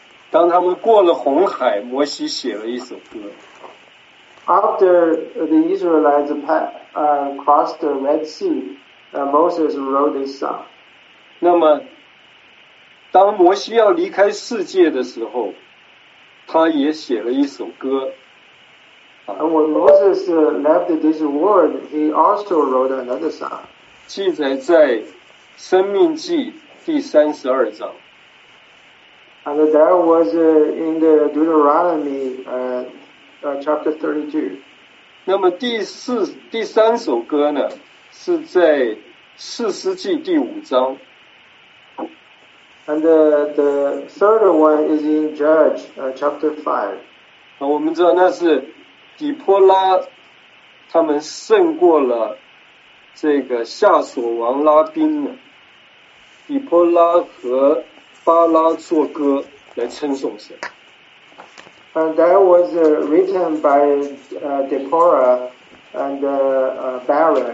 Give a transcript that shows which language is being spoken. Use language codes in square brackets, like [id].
[zh] 当他们过了红海，摩西写了一首歌。 [en] After the Israelites crossed the Red Sea, Moses wrote this song. [zh] 那么，当摩西要离开世界的时候，他也写了一首歌。 [en] And when Moses left this world, he also wrote another song. [zh] 记载在《生命记》第三十二章。 [en] And that was in the Deuteronomy, chapter 32. [zh] 那么第三首歌呢，是在《士师记》第五章。 [en] And the third one is in Judges, chapter 5. [zh] 啊，我们知道那是。底波拉他们胜过了这个夏所王拉宾呢，底波拉和巴拉作歌来称颂神。 [en] And that was written by Deborah and Barak.